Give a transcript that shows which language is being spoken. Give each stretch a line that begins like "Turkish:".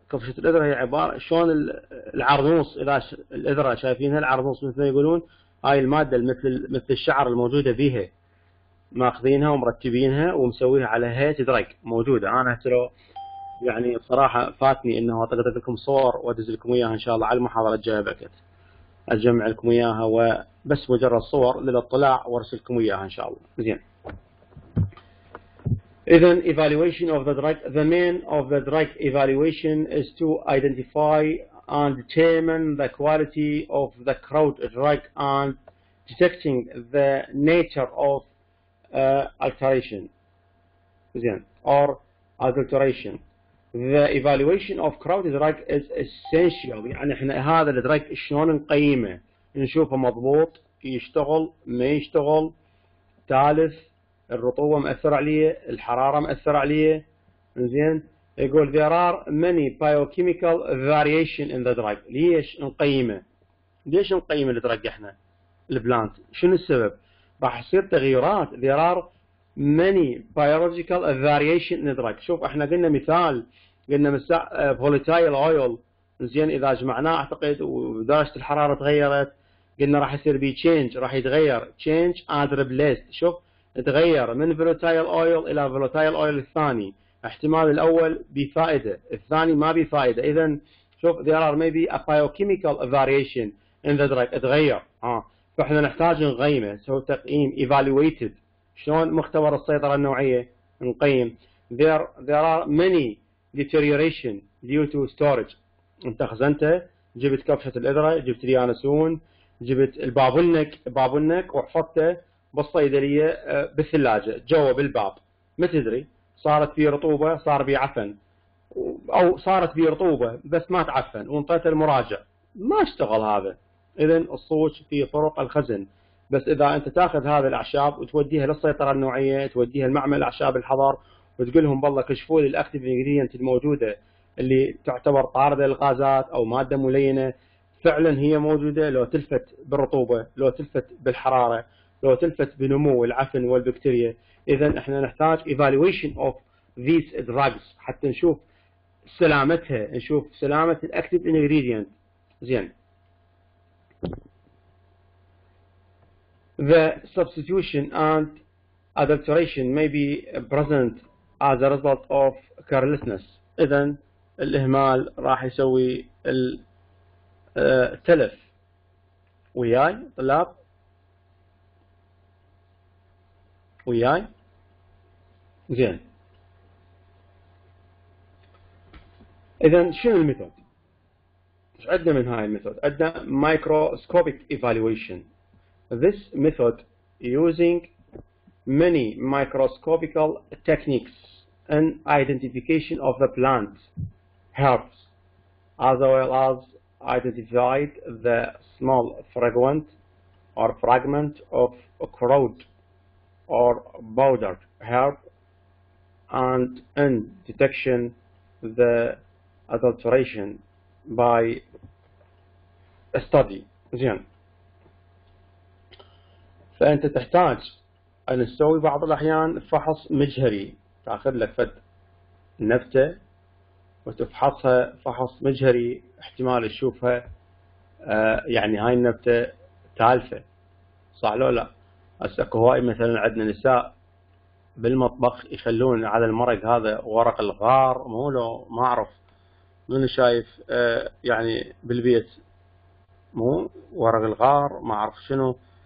Arabic: كبشة الإذرة هي عبارة شلون العرضوص، إذا الإذرة شايفينها العرضوص مثل ما يقولون، هاي المادة مثل الشعر الموجودة بيها، ماخذينها ومرتبينها ومسويها على هيئة دريك موجودة. أنا ترى يعني بصراحة فاتني إنه أعطيت لكم صور وأدز لكم إياها إن شاء الله على المحاضرة الجاية، بكت أجمع لكم إياها، وبس مجرد صور للاطلاع وأرسلكم إياها إن شاء الله. زين، إذن
English: evaluation of the drug, the main of the drug evaluation is to identify and determine the quality of the crowd drug and detecting the nature of alteration.
Arabic: زين،
English: or adulteration. The evaluation of crowd drug is essential.
Arabic: يعني احنا هذا الدرج شلون نقيمه؟ نشوفه مضبوط يشتغل ما يشتغل، تالف، الرطوبة مأثرة عليه، الحرارة مأثرة عليه. زين، يقول
English: there are many biochemical variation in the drug.
Arabic: ليش نقيمه؟ ليش نقيم الدرج احنا البلانت؟ شنو السبب؟ راح يصير تغيرات.
English: there are many biological variation in the drug.
Arabic: شوف احنا قلنا مثال، قلنا فوليتايل اويل، زين اذا جمعناه اعتقد ودرجة الحرارة تغيرت، قلنا راح يصير بي تشينج، راح يتغير تشينج اند ريبليست. شوف تغير من فولتايل اويل الى فولتايل اويل الثاني، احتمال الاول بفائدة الثاني ما بفائدة. اذا شوف
English: there are maybe a biochemical variation in the drug،
Arabic: اتغير. فاحنا نحتاج نقيمه، نسوي تقييم evaluated. شلون مختبر السيطرة النوعية نقيم؟
English: there are many deterioration due to storage.
Arabic: انت خزنته، جبت كبشة الإذرة، جبت اليانسون، جبت البابلنك، بابلنك وحفظته بالصيدلية بالثلاجة جوا بالباب، ما تدري صارت فيه رطوبة، صار فيه عفن، أو صارت فيه رطوبة بس ما تعفن، وانطيت المراجع ما اشتغل هذا. إذن الصوت فيه طرق الخزن، بس اذا انت تاخذ هذه الاعشاب وتوديها للسيطره النوعيه، توديها لمعمل اعشاب الحظر وتقول لهم بالله كشفوا لي الاكتيف انجريدينت الموجوده اللي تعتبر طارده للغازات او ماده ملينه، فعلا هي موجودة لو تلفت بالرطوبة، لو تلفت بالحرارة، لو تلفت بنمو العفن والبكتيريا. إذا احنا نحتاج
English: evaluation of these drugs
Arabic: حتى نشوف سلامتها، نشوف سلامة الاكتيف ingredient.
English: زين، the substitution and adulteration may be present as a result of carelessness.
Arabic: إذا الإهمال راح يسوي التلف. وياي طلاب، وياي زين. إذا شنو الميثود؟ ايش عندنا من هاي الميثود؟ عندنا
English: microscopic evaluation. This method using many microscopical techniques and identification of the plant herbs as well as identified the small fragment or fragment of crowd or powder herb and in detection the adulteration by a study.
Arabic: زين، فانت تحتاج ان تسوي بعض الاحيان فحص مجهري، تاخذ لك فد نبته وتفحصها فحص مجهري، احتمال تشوفها يعني هاي النبته تالفه، صح لو لا؟ هسه اكو هواي مثلا عندنا نساء بالمطبخ يخلون على المرق هذا ورق الغار، مو لو ما اعرف من شايف يعني بالبيت مو ورق الغار ما اعرف شنو.